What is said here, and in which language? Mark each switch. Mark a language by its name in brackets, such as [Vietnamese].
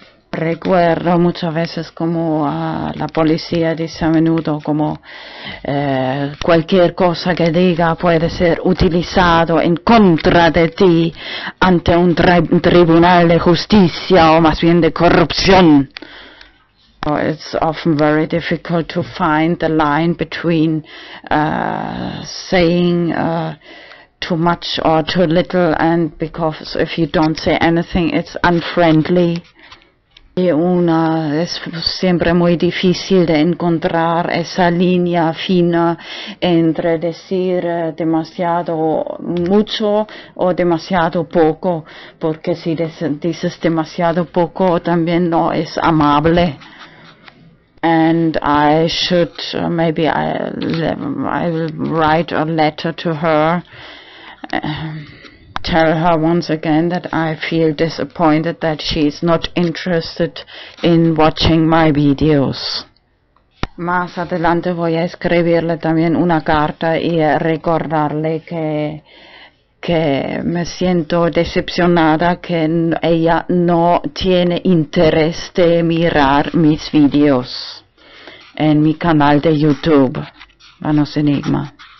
[Spanish] Recuerdo muchas veces como la policía dice a menudo como cualquier cosa que diga puede ser utilizado en contra de ti ante un tribunal de justicia o más bien de corrupción. [English] So it's often very difficult to find the line between saying too much or too little, and because if you don't say anything it's unfriendly. [Spanish] Y una es siempre muy difícil de encontrar esa línea fina entre decir demasiado mucho o demasiado poco, porque si dices demasiado poco también no es amable. [English] And I should maybe I will write a letter to her. Tell her once again that I feel disappointed that she's not interested in watching my videos. [Spanish] Más adelante voy a escribirle también una carta y recordarle que me siento decepcionada que ella no tiene interés de mirar mis videos en mi canal de YouTube, VanosEnigmA.